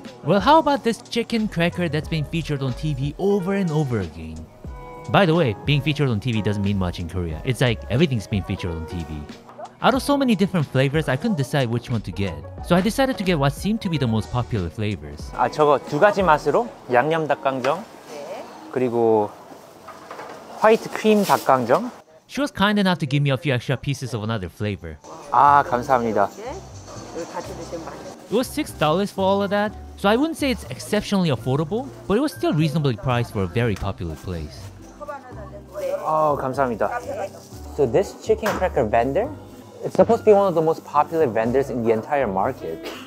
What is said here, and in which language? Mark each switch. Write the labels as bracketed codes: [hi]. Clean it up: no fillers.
[en] Well, how about this chicken cracker that's been featured on TV over and over again? By the way, being featured on TV doesn't mean much in Korea. It's like everything's been featured on TV. Out of so many different flavors, I couldn't decide which one to get. So I decided to get what seemed to be the most popular flavors. [ko] 아, 저거 두 가지 맛으로 양념 닭강정. 그리고 화이트 크림 닭강정. [en] She was kind enough to give me a few extra pieces of another flavor. [ko] 아, 감사합니다. [en] It was $6 for all of that, so I wouldn't say it's exceptionally affordable, but it was still reasonably priced for a very popular place. [ko] Oh, 감사합니다. [en] So this chicken cracker vendor, it's supposed to be one of the most popular vendors in the entire market.